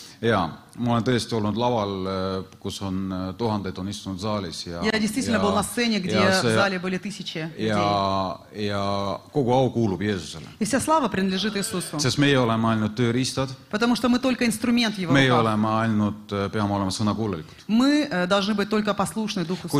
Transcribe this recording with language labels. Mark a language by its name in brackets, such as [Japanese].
[Estonian] Jaa, ma olen tõesti olnud laval, kus on tuhandeid on istunud saalis. Ja [Russian] действительно был на сцене, где в зале были тысячи людей. [Estonian] Ja kogu au kuulub Jeesusele. Ja see [Russian] slava принадлежит Иисусу. [Estonian] Sest meie oleme ainult tööriistad. [Russian] Потому что мы только инструмент его. [Estonian] Meie oleme ainult, peame olema sõnakuulelikud. [Russian] Мы должны быть только послушны Духу Святому.